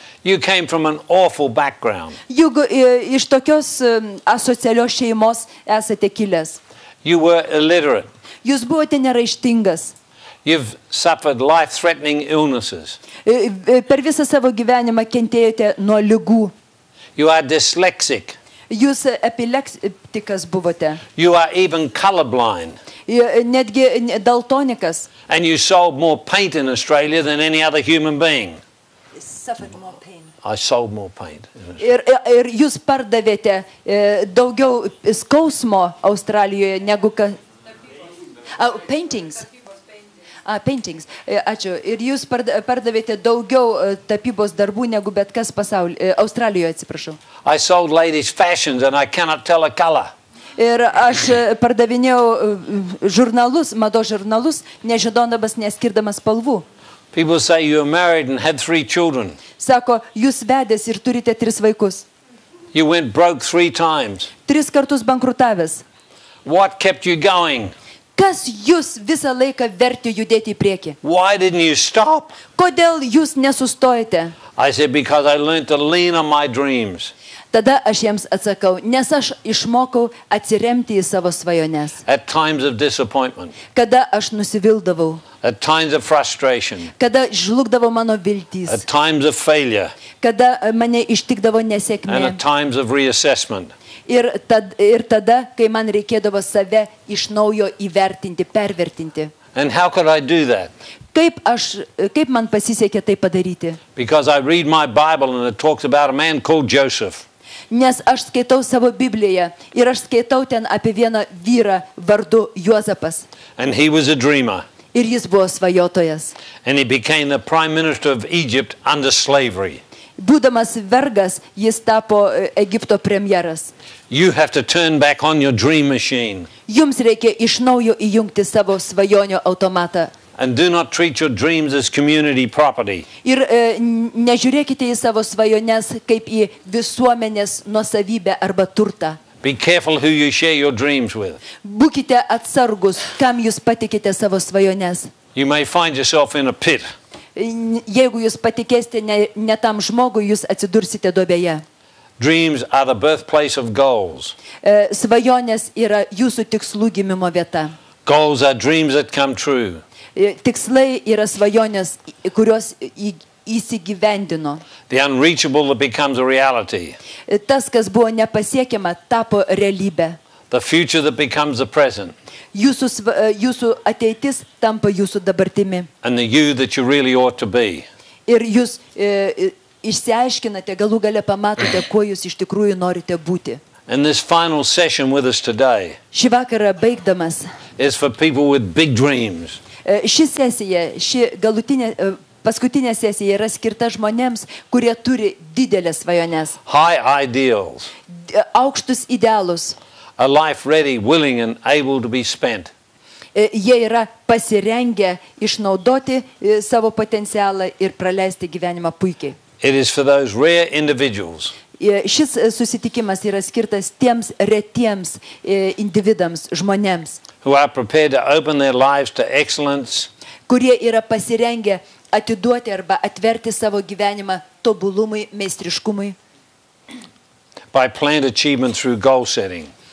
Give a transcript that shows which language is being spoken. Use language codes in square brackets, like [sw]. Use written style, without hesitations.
[en] You came from an awful background. [lt] Juk iš tokios asocialios šeimos esate kilęs. [en] You were illiterate. [lt] Jūs buvote neraštingas. [en] You've suffered life-threatening illnesses. [lt] Per visą savo gyvenimą kentėjote nuo ligų. [en] You are dyslexic. [lt] Jūs epileptikas buvote. [en] You are even colorblind. [lt] Netgi daltonikas. [en] And you sold more paint in Australia than any other human being. Suffered more paint. I sold more paint. [lt] Ir jūs pardavėte daugiau skausmo Australijoje negu paintings. Paintings. Ačiū. Ir jūs pardavėte daugiau tapybos darbų negu bet kas pasaulyje, Australijoje, atsiprašau. [en] I sold ladies fashions and I cannot tell a color. [lt] Ir aš pardavinėjau žurnalus, mados žurnalus, nežinodamas, neskirdamas spalvų. [en] People say you are married and had three children. [lt] Sako, jūs vedęs ir turite tris vaikus. [en] You went broke three times. [lt] Tris kartus bankrutavęs. [en] What kept you going? [lt] Kas jūs visą laiką vertė judėti į priekį? [en] Why didn't you stop? [lt] Kodėl jūs nesustojate? [en] I said, because I learned to lean on my dreams. [lt] Tada aš jiems atsakau, nes aš išmokau atsiremti į savo svajones. [en] At times of disappointment. [lt] Kada aš nusivildavau. [en] At times of frustration. [lt] Kada žlugdavo mano viltys. [en] At times of failure. [lt] Kada mane ištikdavo nesėkmė. [en] And at times of reassessment. [lt] Ir tada, kai man reikėdavo save iš naujo įvertinti, pervertinti. [en] And how could I do that? [lt] Kaip man pasisekė tai padaryti? [en] Because I read my Bible and it talks about a man called Joseph. [lt] Nes aš skaitau savo Bibliją ir aš skaitau ten apie vieną vyrą vardu Juozapas. [en] And he was a dreamer. [lt] Ir jis buvo svajotojas. [en] And he became the prime minister of Egypt under slavery. [lt] Būdamas vergas, jis tapo Egipto premjeras. [en] You have to turn back on your dream machine. [lt] Jums reikia iš naujo įjungti savo svajonių automatą. [en] And do not treat your dreams as community property. [lt] Ir nežiūrėkite į savo svajones kaip į visuomenės nuosavybę arba turtą. [en] Be careful who you share your dreams with. [lt] Būkite atsargus, kam jūs patikite savo svajones. [en] You may find yourself in a pit. [lt] Jeigu jūs patikėsite ne tam žmogui, jūs atsidursite duobėje. [en] Dreams are the birthplace of goals. [lt] Svajonės yra jūsų tikslų gimimo vieta. [en] Goals are dreams that come true. [lt] Tikslai yra svajonės, kurios įsigyvendino. [en] The unreachable that becomes a reality. [lt] Tas, kas buvo nepasiekiama, tapo realybe. [en] The future that becomes the present. [lt] Jūsų ateitis tampa jūsų dabartimi. [en] And the you that you really ought to be. [lt] Ir jūs išsiaiškinate, galų gale pamatote, kuo jūs iš tikrųjų norite būti. [en] And this final session with us today. [lt] Šį vakarą baigdamas. [en] Is for people with big dreams. [lt] Ši sesija, ši galutinė paskutinė sesija yra skirta žmonėms, kurie turi didelės svajones. [en] High ideals. [lt] Aukštus idealus. [en] A life ready, willing and able to be spent. [lt] Jie yra pasirengę išnaudoti savo potencialą ir praleisti gyvenimą puikiai. [en] It is for those rare individuals. [lt] Šis susitikimas yra skirtas tiems retiems individams, žmonėms. [en] Who are prepared to open their lives to excellence. [lt] Kurie yra pasirengę atiduoti arba atverti savo gyvenimą tobulumui, meistriškumui. [en] By planned achievement through goal setting.